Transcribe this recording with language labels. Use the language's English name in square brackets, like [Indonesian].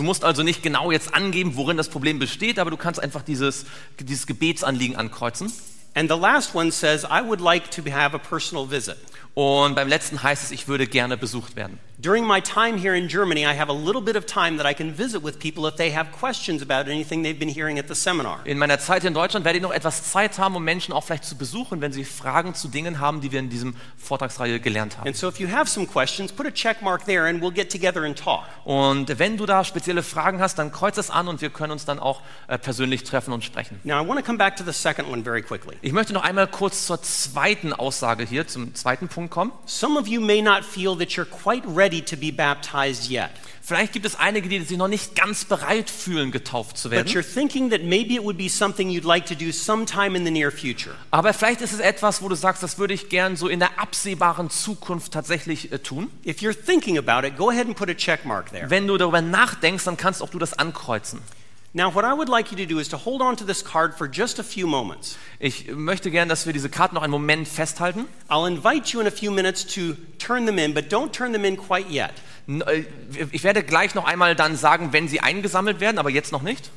[German] Du musst also nicht genau jetzt angeben, worin das Problem besteht, aber du kannst einfach dieses Gebetsanliegen ankreuzen. [English] And the last one says, I would like to have a personal visit. [German] Und beim letzten heißt es, ich würde gerne besucht werden. [English] During my time here in Germany, I have a little bit of time that I can visit with people if they have questions about anything they've been hearing at the seminar. [German] In meiner Zeit in Deutschland werde ich noch etwas Zeit haben, um Menschen auch vielleicht zu besuchen, wenn sie Fragen zu Dingen haben, die wir in diesem Vortragsreihe gelernt haben. [English] And so if you have some questions, put a check mark there and we'll get together and talk. [German] Und wenn du da spezielle Fragen hast, dann kreuz es an und wir können uns dann auch persönlich treffen und sprechen. [English] Now I want to come back to the second one very quickly. [German] Ich möchte noch einmal kurz zur zweiten Aussage hier, zum zweiten Punkt kommen. [English] Some of you may not feel that you're quite ready to be baptized yet. [German] Vielleicht gibt es einige, die sich noch nicht ganz bereit fühlen, getauft zu werden. [English] But you're thinking that maybe it would be something you'd like to do sometime in the near future. [German] Aber vielleicht ist es etwas, wo du sagst, das würde ich gern so in der absehbaren Zukunft tatsächlich tun. [English] If you're thinking about it, go ahead and put a check mark there. [German] Wenn du darüber nachdenkst, dann kannst auch du das ankreuzen. [English] Now what I would like you to do is to hold on to this card for just a few moments. [German] Ich möchte gerne, dass wir diese Karten noch einen Moment festhalten. [English] I'll invite you in a few minutes to turn them in, but don't turn them in quite yet. [German] Ich werde gleich noch einmal dann sagen, wenn sie eingesammelt werden, aber jetzt noch nicht.